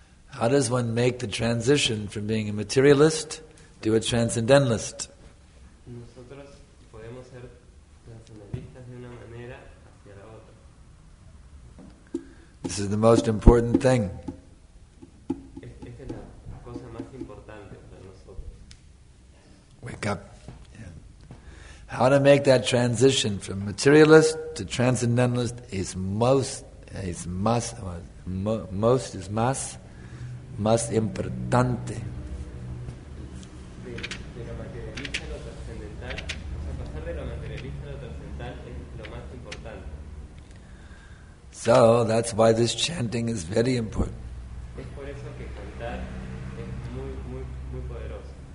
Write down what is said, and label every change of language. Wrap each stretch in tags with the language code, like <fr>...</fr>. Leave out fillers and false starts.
<en>How does one make the transition from being a materialist to a transcendentalist?</en> <es>Nosotros podemos ser transcendentalistas de una manera hacia la otra.</es> <en>This is the most important thing.</en> <es>Esta es la cosa más importante para nosotros.</es> <en>Wake up. Yeah. How to make that transition from materialist to transcendentalist is</en> <es>más importante. De lo materialista a lo trascendental, o sea, pasar de lo materialista a lo trascendental es lo más importante.</es> <en>So, that's why this chanting is very important.</en> <es>Es por eso que cantar es muy, muy, muy poderoso.</es>